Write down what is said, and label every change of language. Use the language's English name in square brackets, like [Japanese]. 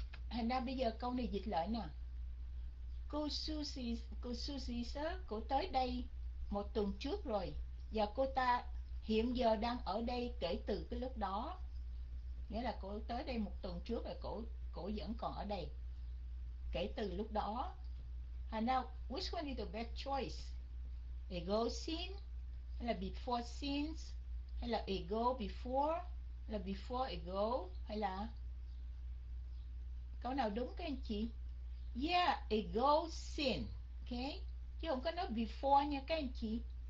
[Vietnamese] Thành ra bây giờ câu này dịch lại nè. Cô Susie cô tới đây một tuần trước rồi, và cô ta hiện giờ đang ở đây kể từ cái lúc đó. Nghĩa là cô tới đây một tuần trước rồi, cô vẫn còn ở đây kể từ lúc đó. [English] And now, which one is the best choice? [Vietnamese] Ago since, hay là before since, hay là ago before, hay là before ago, hay là câu nào đúng các anh chị? Yeah, ago since, okay? Chứ không có nói before nha các anh chị.